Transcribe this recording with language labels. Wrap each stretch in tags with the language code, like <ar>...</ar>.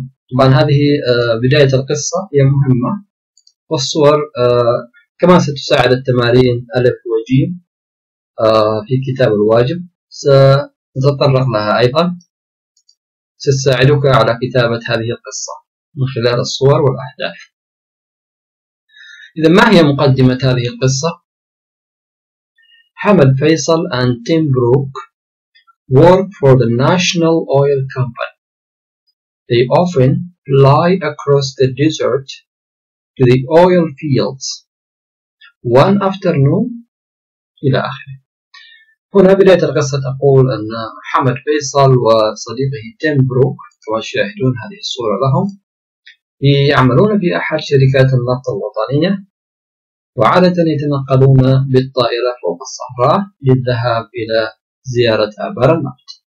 <ar>طبعا هذه بداية القصة هي مهمة، والصور كما ستساعد التمارين ألف وجيم في كتاب الواجب سنتطرق لها أيضا، ستساعدك على كتابة هذه القصة من خلال الصور والأحداث. إذا ما هي مقدمة هذه القصة؟</ar> <en>Hamad Faisal and Tim Brook work for the National Oil Company. They often fly across the desert to the oil fields one afternoon</en> <ar>إلى آخره. هنا بداية القصة تقول أن حمد فيصل وصديقه تيم بروك كما تشاهدون هذه الصورة لهم يعملون في أحد شركات النفط الوطنية، وعادة يتنقلون بالطائرة فوق الصحراء للذهاب إلى زيارة آبار النفط.</ar>